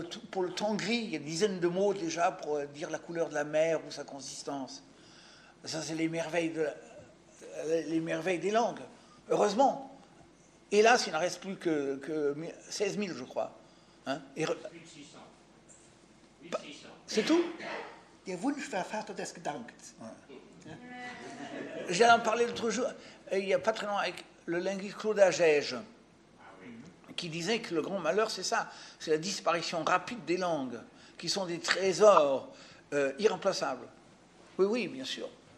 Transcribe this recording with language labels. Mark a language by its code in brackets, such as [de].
[fr] Pour le temps gris, il y a une dizaine de mots déjà pour dire la couleur de la mer ou sa consistance. Ça, c'est les merveilles des langues. Heureusement. Hélas, il n'en reste plus que 16 000, je crois. Hein? 1600. Bah, c'est tout? [de] Ihr Wunsch war Vater des Gedankens. [fr] Ouais. J'allais en parler l'autre jour, il n'y a pas très longtemps, avec le linguiste Claude Agege, qui disait que le grand malheur, c'est ça, c'est la disparition rapide des langues, qui sont des trésors irremplaçables. Oui, oui, bien sûr.